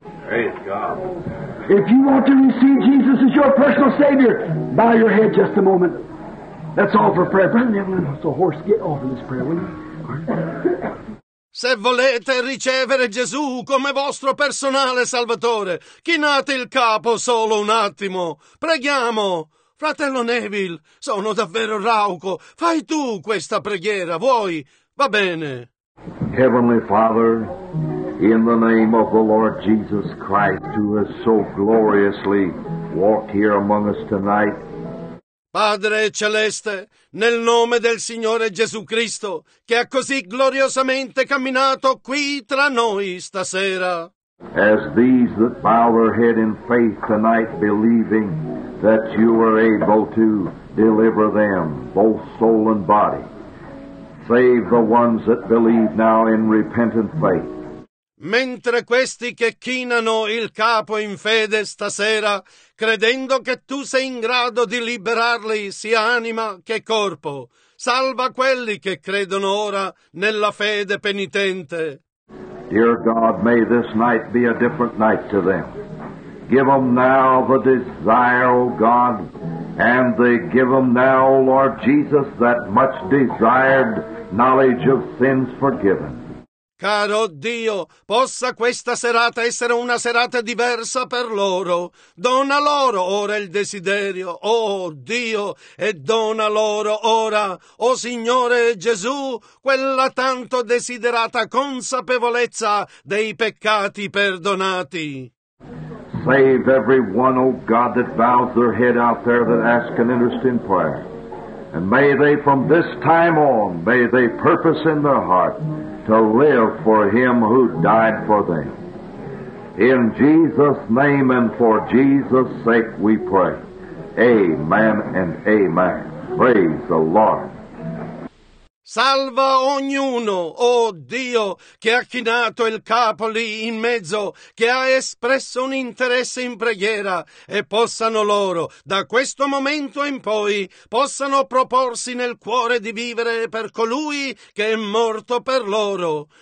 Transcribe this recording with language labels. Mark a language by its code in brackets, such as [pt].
[en] Praise God. If you want to receive Jesus as your personal Savior, bow your head just a moment. That's all for prayer. Brother Neville, so horse, get off of this prayer, will you? [it] Se volete ricevere Gesù come vostro personale Salvatore, chinate il capo solo un attimo. Preghiamo. Fratello Neville, sono davvero rauco. Fai tu questa preghiera, vuoi? Va bene. [en] Heavenly Father, in the name of the Lord Jesus Christ, who has so gloriously walked here among us tonight. [it] Padre celeste, nel nome del Signore Gesù Cristo, che ha così gloriosamente camminato qui tra noi stasera. [en] As these that bow their head in faith tonight, believing that you are able to deliver them, both soul and body, save the ones that believe now in repentant faith. [it] Mentre questi che chinano il capo in fede stasera, credendo che tu sei in grado di liberarli sia anima che corpo, salva quelli che credono ora nella fede penitente. [en] Dear God, may this night be a different night to them. Give them now the desire, O God, and they give them now, O Lord Jesus, that much desired knowledge of sins forgiven. [it] Caro Dio, possa questa serata essere una serata diversa per loro. Dona loro ora il desiderio, oh Dio, e dona loro ora, oh Signore Gesù, quella tanto desiderata consapevolezza dei peccati perdonati. [en] Save everyone, oh God, that bows their head out there that ask an interest in prayer. And may they, from this time on, may they purpose in their heart to live for Him who died for them. In Jesus' name and for Jesus' sake we pray. Amen and amen. Praise the Lord. [it] Salva ognuno, oh Dio, che ha chinato il capo lì in mezzo, che ha espresso un interesse in preghiera, e possano loro, da questo momento in poi, possano proporsi nel cuore di vivere per colui che è morto per loro.